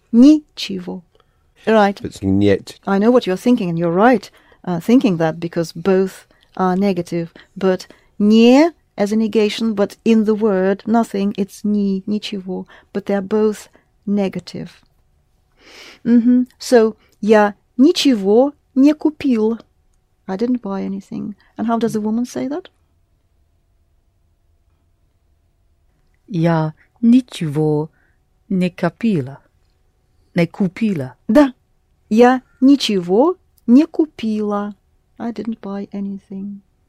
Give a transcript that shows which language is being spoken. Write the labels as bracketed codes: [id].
[ru] Ничего. Right. [en] It's нет. I know what you're thinking, and you're right thinking that, because both are negative. But не as a negation, but in the word nothing, it's ни, ничего. But they're both negative. Mm-hmm. [ru] So, я ничего не купил. [en] I didn't buy anything. And how does a woman say that? [ru] Я ничего не купила. Не купила. Да. Я ничего не купила. [en] I didn't buy anything.